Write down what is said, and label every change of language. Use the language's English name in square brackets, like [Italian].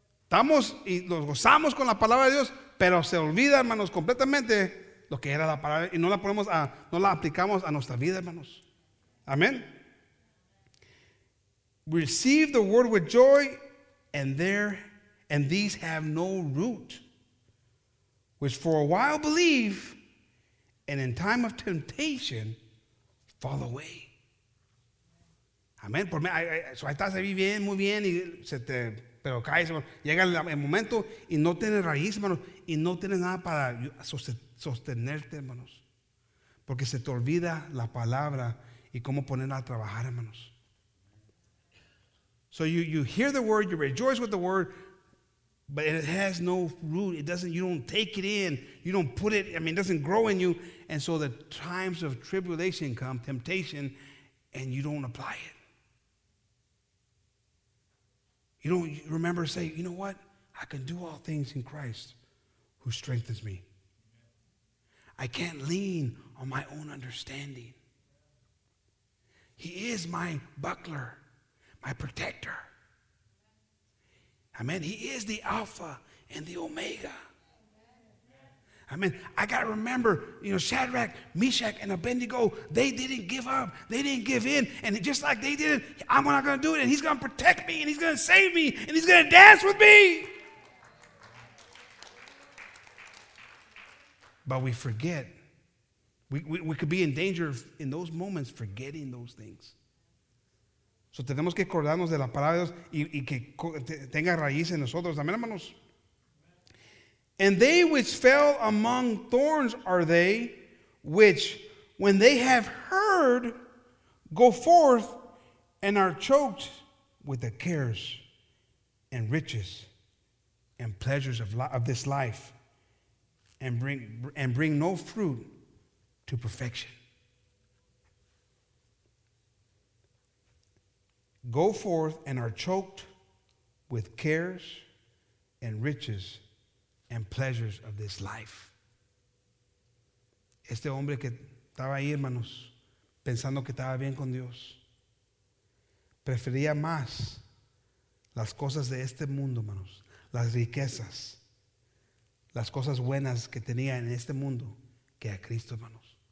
[Spanish] Estamos y nos gozamos con la palabra de Dios, pero se olvida, hermanos, completamente lo que era la palabra y no la aplicamos a nuestra vida, hermanos. Amén. [English] Receive the word with joy, and these have no root. Which for a while believe, and in time of temptation, fall away. [Spanish] Amén. So ahí estás ahí bien, muy bien, y se te, pero caes, llega el momento, y no tienes raíz, hermanos, y no tienes nada para sostenerte, hermanos. Porque se te olvida la palabra, y cómo ponerla a trabajar, hermanos. [English] So you hear the word, you rejoice with the word, but it has no root. It doesn't, you don't take it in. You don't put it, I mean, it doesn't grow in you. And so the times of tribulation come, temptation, and you don't apply it. You don't remember say, you know what? I can do all things in Christ who strengthens me. I can't lean on my own understanding. He is my buckler, my protector. Amen. He is the Alpha and the Omega. Amen. I got to remember, you know, Shadrach, Meshach, and Abednego, they didn't give up. They didn't give in. And just like they did, I'm not going to do it. And he's going to protect me, and he's going to save me, and he's going to dance with me. But we forget. We could be in danger in those moments forgetting those things. [Spanish] So tenemos que acordarnos de la palabra de Dios y que tenga raíz en nosotros. Amén, hermanos. [English] And they which fell among thorns are they which, when they have heard, go forth and are choked with the cares and riches and pleasures of this life and bring no fruit to perfection. Go forth and are choked with cares and riches and pleasures of this life. [Spanish] Este hombre que estaba ahí, hermanos, pensando que estaba bien con Dios, prefería más las cosas de este mundo, hermanos, las riquezas, las cosas buenas que tenía en este mundo que a Cristo, hermanos.